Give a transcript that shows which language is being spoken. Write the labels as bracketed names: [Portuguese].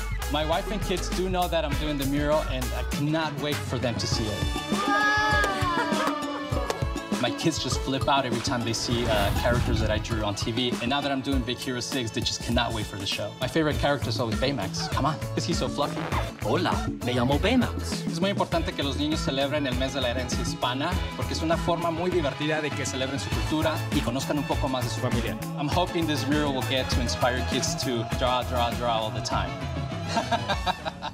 [English] My wife and kids do know that I'm doing the mural, and I cannot wait for them to see it. My kids just flip out every time they see characters that I drew on TV. And now that I'm doing Big Hero 6, they just cannot wait for the show. My favorite character is always Baymax. Come on, is he so fluffy? [Spanish] Hola, me llamo Baymax. Es muy importante que los niños celebren el mes de la herencia hispana porque es una forma muy divertida de que celebren su cultura y conozcan un poco más de su familia. [English] I'm hoping this mural will get to inspire kids to draw all the time.